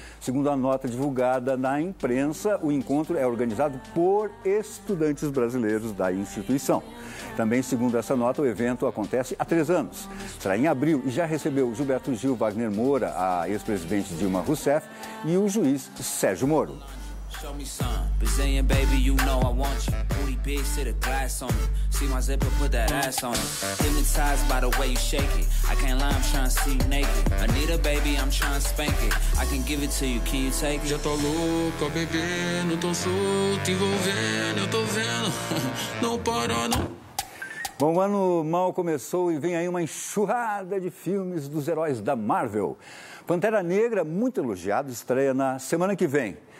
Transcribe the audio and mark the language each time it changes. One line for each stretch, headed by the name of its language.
Portuguese: Segundo a nota divulgada na imprensa, o encontro é organizado por estudantes brasileiros da instituição. Também, segundo essa nota, o evento acontece há 3 anos. Será em abril e já recebeu Gilberto Gil, Wagner Moura, a ex-presidente Dilma Rousseff e o juiz Sérgio Moro.
English: Show me some Brazilian, baby, you know I want you. Booty big, sit a glass on it. See my zipper, put that ass on it. Hypnotized by the way you shake it. I can't lie, I'm trying to see you naked. I need a baby, I'm trying to spank it. I can give it to you, can you take it?
Portuguese: Já tô louco, bebendo, tô solto, envolvendo, eu tô vendo. Não para, não. Bom, o ano mal começou e vem aí uma enxurrada de filmes dos heróis da Marvel. Pantera Negra, muito elogiado, estreia na semana que vem.